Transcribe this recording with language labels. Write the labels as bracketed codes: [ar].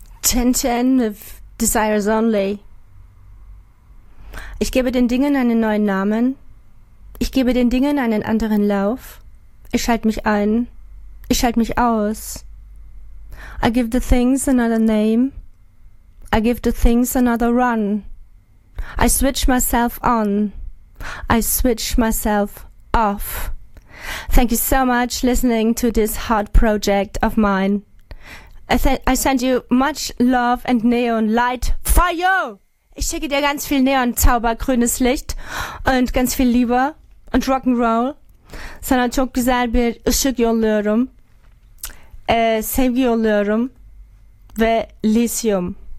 [en] Tintin with Desires Only. [de] Ich gebe den Dingen einen neuen Namen. Ich gebe den Dingen einen anderen Lauf. Ich schalte mich ein. Ich schalte mich aus. [en] I give the things another name. I give the things another run. I switch myself on. I switch myself off. Thank you so much listening to this hot project of mine. I send you much love and neon light fire. [de] Ich schicke dir ganz viel Neon-Zauber, grünes Licht und ganz viel Liebe und Rock'n'Roll. [tr] Sana çok güzel bir ışık yolluyorum. Sevgi yolluyorum ve lisyum.